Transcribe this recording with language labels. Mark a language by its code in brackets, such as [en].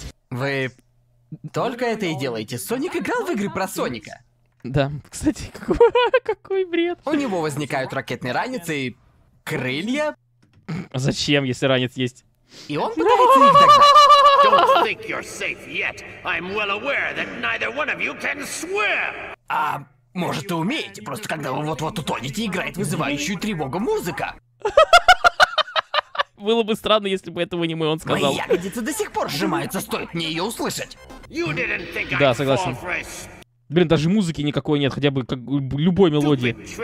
[ru] Вы только это и делаете. Соник играл в игры про Соника. Да, кстати, какой бред. У него возникают ракетные ранцы и крылья. Зачем, если ранец есть? И он пытается их догнать. [en] Don't think you're safe yet. I'm well aware that neither one of you can swim. [ru] А может, и умеете, просто когда вы вот-вот утонете, играет вызывающую тревогу музыка. Было бы странно, если бы это в аниме он сказал. Мои ягодицы до сих пор сжимаются, стоит мне ее услышать. Да, согласен. Блин, даже музыки никакой нет, хотя бы как любой мелодии.